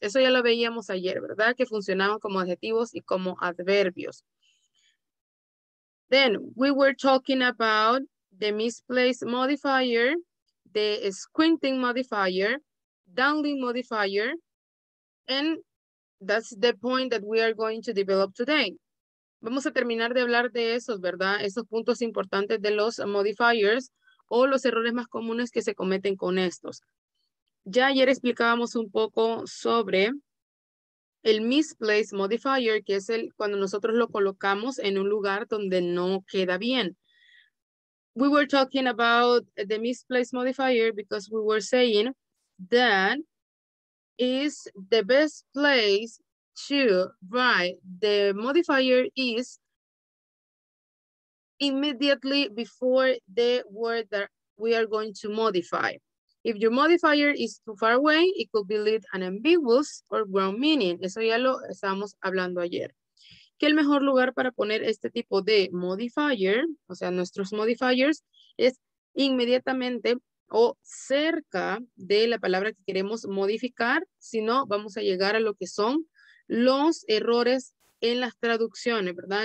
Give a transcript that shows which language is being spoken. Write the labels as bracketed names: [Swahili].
[Spanish] Eso ya lo veíamos ayer, ¿verdad? Que funcionaban como adjetivos y como adverbios. [English] Then we were talking about the misplaced modifier, the squinting modifier, dangling modifier, and that's the point that we are going to develop today. [Spanish] Vamos a terminar de hablar de esos, ¿verdad? Esos puntos importantes de los modifiers o los errores más comunes que se cometen con estos. Ya ayer explicábamos un poco sobre el misplaced modifier, que es el cuando nosotros lo colocamos en un lugar donde no queda bien. [English] We were talking about the misplaced modifier because we were saying that is the best place to write the modifier is immediately before the word that we are going to modify. If your modifier is too far away, it could be lead an ambiguous or wrong meaning. [Spanish] Eso ya lo estábamos hablando ayer. Que el mejor lugar para poner este tipo de modifier, o sea, nuestros modifiers, es inmediatamente o cerca de la palabra que queremos modificar, si no, vamos a llegar a lo que son los errores en las traducciones, ¿verdad?